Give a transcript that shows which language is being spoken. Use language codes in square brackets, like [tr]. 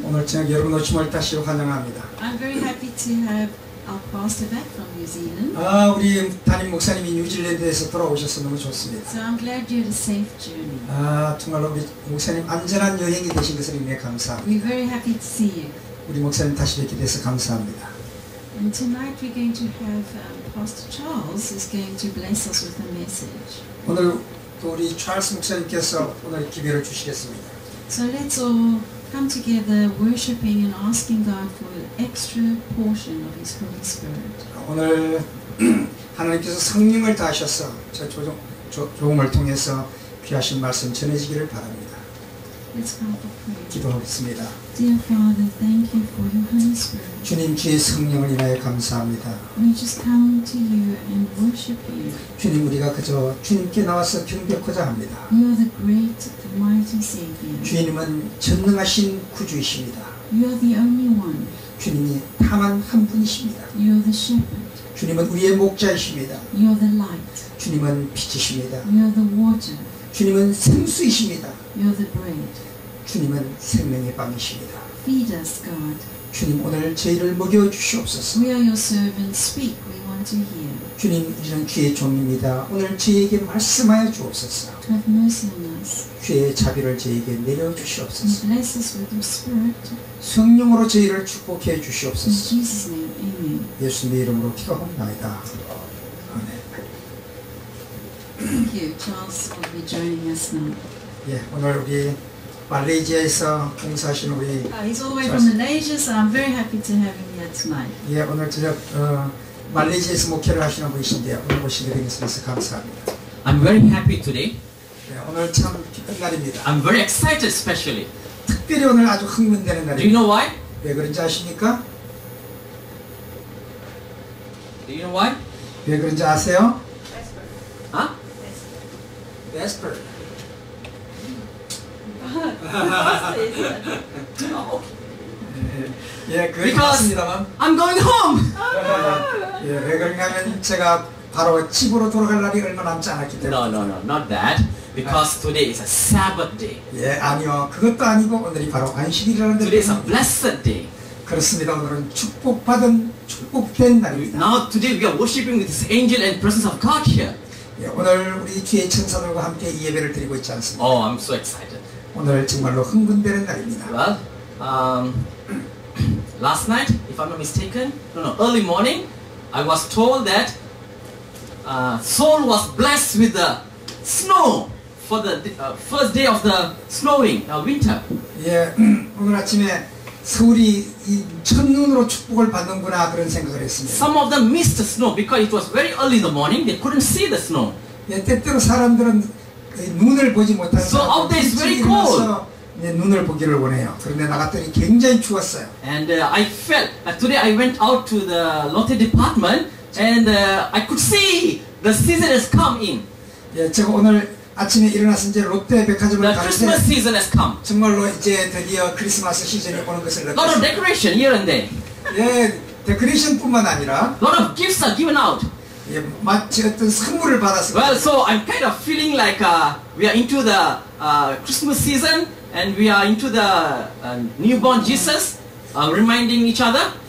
[ko] 오늘 저녁 여러분 오심을 다시 환영합니다. [en] I'm very happy to have our pastor back from New Zealand. [ko] 아, 우리 담임 목사님이 뉴질랜드에서 돌아오셔서 너무 좋습니다. [en] So I'm glad you had a safe journey. [ko] 아, 정말로 우리 목사님 안전한 여행이 되신 것을 위해 감사합니다. [en] We're very happy to see you. [ko] 우리 목사님 다시 뵙게 돼서 감사합니다. [en] And tonight we're going to have Pastor Charles is going to bless us with a message. [ko] 오늘 우리 찰스 목사님께서 오늘 기회를 주시겠습니다. [en] So let's all come together worshiping and asking God for an extra portion of His Holy Spirit. [ko] 오늘 하나님께서 성령을 다하셔서 저 조금을 통해서 귀하신 말씀 전해지기를 바랍니다. [en] Let's come for prayer. [ko] 기도하겠습니다. [en] Dear Father, thank you for your Holy Spirit. [ko] 주님 주의 성령을 인하여 감사합니다. [en] We just come to you and worship you. [ko] 주님 우리가 그저 주님께 나와서 경배하고자 합니다. [en] You are the great, the mighty Savior. [ko] 주님은 전능하신 구주이십니다. [en] You are the only one. [ko] 주님이 다만 한 분이십니다. [en] You are the shepherd. [ko] 주님은 우리의 목자이십니다. [en] You are the light. [ko] 주님은 빛이십니다. [en] You are the water. [ko] 주님은 생수이십니다. [en] You are the bread. [ko] 주님은 생명의 빵이십니다. [en] Feed us, God. [ko] 주님 오늘 저희를 먹여 주시옵소서. [en] We are your servants. Speak. We want to hear. [ko] 주님 이는 주의 종입니다. 오늘 저희에게 말씀하여 주옵소서. [en] Have mercy on us. [ko] 주의 자비를 저희에게 내려 주시옵소서. [en] And bless us with your Spirit. [ko] 성령으로 저희를 축복해 주시옵소서. [en] In Jesus' name, Amen. [ko] 예수님의 이름으로 기도합니다. 아멘. [en] Thank you, Charles, for joining us now. [ko] 예, 오늘 우리 말레이시아에서 봉사하신 우리. [en] He's all the way from Malaysia, so I'm very happy to have him here tonight. [ko] 예, 오늘 저녁 말레이시아에서 목회를 하시는 분이신데요. 오늘 오시게 된 것에 감사합니다. [en] I'm very happy today. [ko] 예, 오늘 참 기쁜 날입니다. [en] I'm very excited, especially. [ko] 특별히 오늘 아주 흥분되는 날이에요. [en] Do you know why? [ko] 왜 그런지 아십니까? [en] Do you know why? [ko] 왜 그런지 아세요? [en] Vesper. 아? Vesper. Oh, okay. Because I'm going home. [ko] 예, 그러면 제가 바로 집으로 돌아갈 날이 얼마 남지 않았기 때문에. [en] No, no, no, not that. Because today is a Sabbath day. [ko] 예, 아니요, 그것도 아니고 오늘이 바로 안식일이라는 날입니다. [en] Today is a blessed day. [ko] 그렇습니다. 오늘은 축복받은 축복된 날입니다. [en] Now today we are worshiping with this angel and presence of God here. [ko] 예, 오늘 우리 주의 천사들과 함께 예배를 드리고 있지 않습니까? [en] Oh, I'm so excited. [ko] 오늘 정말로 흥분되는 날입니다. [en] Well, last night, if I'm not mistaken, early morning, I was told that Seoul was blessed with the snow for the first day of the snowing, winter. [ko] 예, 오늘 아침에 서울이 이 첫눈으로 축복을 받는구나 그런 생각을 했습니다. [en] Some of them missed the snow because it was very early in the morning. They couldn't see the snow. [ko] 예, 때때로 사람들은 눈을 보지 못한 [en] so out there is very cold. [ko] 눈을 보기를 원해요. 그런데 나갔더니 굉장히 추웠어요. [en] And I felt today I went out to the Lotte department and I could see the season has come in. [ko] 예, 제가 오늘 아침에 일어나서 이제 롯데 백화점을 [en] the the Christmas season has come. [ko] 정말로 이제 드디어 크리스마스 시즌이 오는 것을 느꼈어요. [en] Lot of decoration here and there. [ko] 예, 데코레이션뿐만 아니라 [en] lot of gifts are given out. [ko] 예, 마치 어떤 선물을 받았어. [en] Well, so I'm kind of feeling like we are into the Christmas season and we are into the newborn Jesus, reminding each other.